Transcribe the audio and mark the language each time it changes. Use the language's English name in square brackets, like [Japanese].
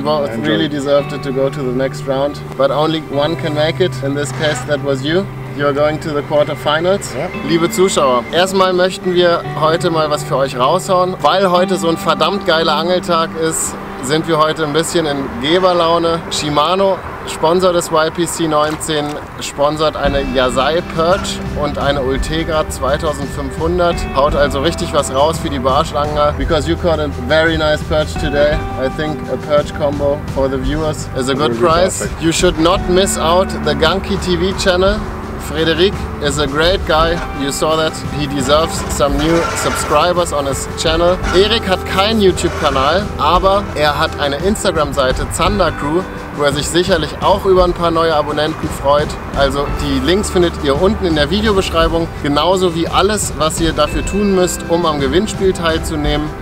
[English] You both really deserved it to go to the next round. But only one can make it. In this case, that was you. You are going to the quarterfinals. Yeah. [German] Liebe Zuschauer, erstmal möchten wir heute mal was für euch raushauen. Weil heute so ein verdammt geiler Angeltag ist, sind wir heute ein bisschen in Geberlaune. Shimano, Sponsor des YPC 19, sponsert eine Yazai Perch und eine Ultegra 2500. Haut also richtig was raus für die Barschlanger. [English] Because you caught a very nice perch today. I think a perch combo for the viewers is a good price. Perfect. You should not miss out the Gunky TV channel. Frederik is a great guy, you saw that. He deserves some new subscribers on his channel. [German] Erik hat keinen YouTube-Kanal, aber er hat eine Instagram-Seite, Zander Crew, wo er sich sicherlich auch über ein paar neue Abonnenten freut. Also die Links findet ihr unten in der Videobeschreibung, genauso wie alles, was ihr dafür tun müsst, um am Gewinnspiel teilzunehmen.